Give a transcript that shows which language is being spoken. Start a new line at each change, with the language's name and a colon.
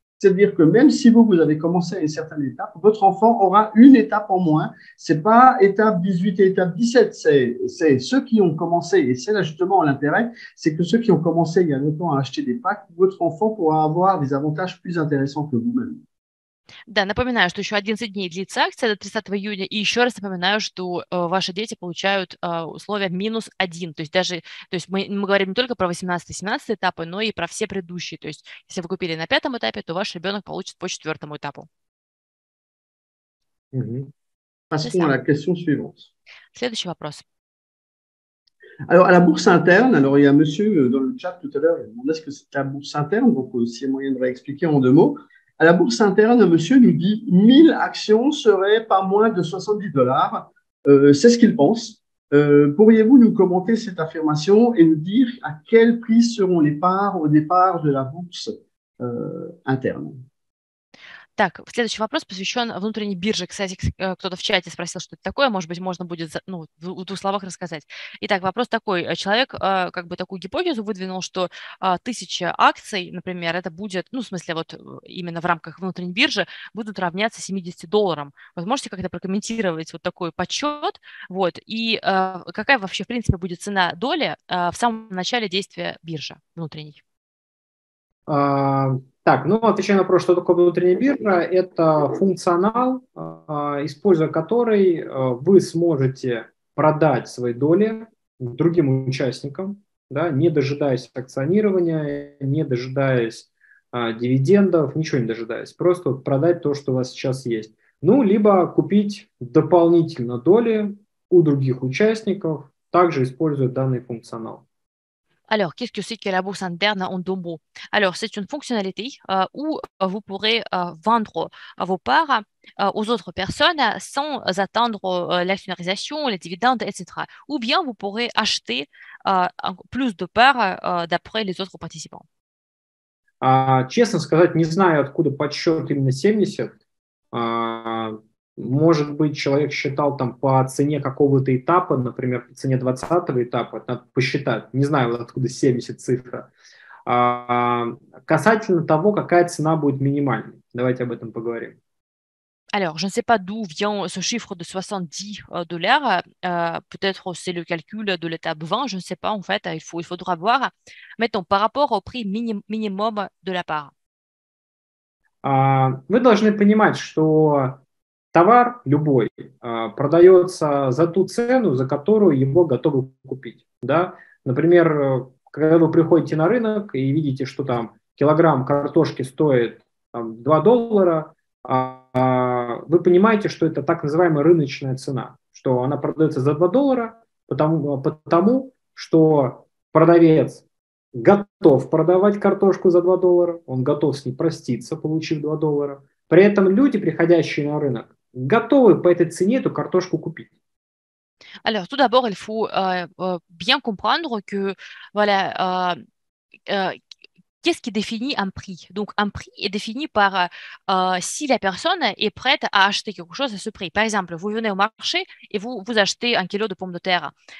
French: C'est-à-dire que même si vous avez commencé à une certaine étape, votre enfant aura une étape en moins. C'est pas étape 18 et étape 17. C'est ceux qui ont commencé. Et c'est là justement l'intérêt. C'est que ceux qui ont commencé il y a longtemps à acheter des packs, votre enfant pourra avoir des avantages plus intéressants que vous-même.
Russian: Да, напоминаю, что еще 11 дней длится акция до 30 июня, и еще раз напоминаю, что ваши дети получают условия минус 1, то есть даже, то есть мы говорим не только про 18-17 этапы, но и про все предыдущие, то есть если вы купили на 5 этапе, то ваш ребенок получит по 4 этапу.
French: Passons à la question suivante.
Russian: Следующий вопрос.
French: Alors, à la bourse interne, alors il y a un monsieur dans le chat tout à l'heure, il demandait ce que c'était la bourse interne, donc s'il y a moyen de réexpliquer en deux mots. À la bourse interne, un monsieur nous dit 1000 actions seraient pas moins de 70 dollars. C'est ce qu'il pense. Pourriez-vous nous commenter cette affirmation et nous dire à quel prix seront les parts au départ de la bourse interne?
Russian: Так, следующий вопрос посвящен внутренней бирже. Кстати, кто-то в чате спросил, что это такое. Может быть, можно будет ну, в двух словах рассказать. Итак, вопрос такой. Человек как бы такую гипотезу выдвинул, что 1000 акций, например, это будет, ну, в смысле, вот именно в рамках внутренней биржи, будут равняться 70 долларам. Вы можете как-то прокомментировать вот такой подсчет? Вот. И какая вообще, в принципе, будет цена доли в самом начале действия биржи внутренней? Так, ну, отвечая на вопрос, что такое внутренняя биржа, это функционал, используя который вы сможете продать свои доли другим участникам, да, не дожидаясь акционирования, не дожидаясь дивидендов, ничего не дожидаясь, просто продать то, что у вас сейчас есть. Ну, либо купить дополнительно доли у других участников, также используя данный функционал.
French: Alors, qu'est-ce que c'est que la bourse interne en deux mots? Alors, c'est une fonctionnalité où vous pourrez vendre vos parts aux autres personnes sans attendre l'actionnarisation, les dividendes, etc. Ou bien vous pourrez acheter plus de parts d'après les autres participants.
Russian: Честно сказать, не знаю, откуда подсчет именно 70. Может быть, человек считал там по цене какого-то этапа, например, по цене 20-го этапа, надо посчитать, не знаю, откуда 70 цифра. Касательно того, какая цена будет минимальной, давайте об этом поговорим.
French: Alors, je ne sais pas d'où vient ce chiffre de 70 dollars. Peut-être c'est le calcul de l'étape 20, je ne sais pas, en fait, il faudra voir. Mettons, par rapport au prix minimum de la part.
Russian: Вы должны понимать, что товар любой продается за ту цену, за которую его готовы купить. Да? Например, когда вы приходите на рынок и видите, что там килограмм картошки стоит там, 2 доллара, вы понимаете, что это так называемая рыночная цена, что она продается за 2 доллара, потому что продавец готов продавать картошку за 2 доллара, он готов с ней проститься, получив 2 доллара. При этом люди, приходящие на рынок, готовы по этой цене эту картошку купить.
French: Alors, tout d'abord, il faut bien comprendre que, voilà, qu'est-ce qui définit un prix? Donc, un prix est défini par si la personne est prête à acheter quelque chose à ce prix. Par exemple, vous venez au marché et vous achetez un kilo de pommes de terre.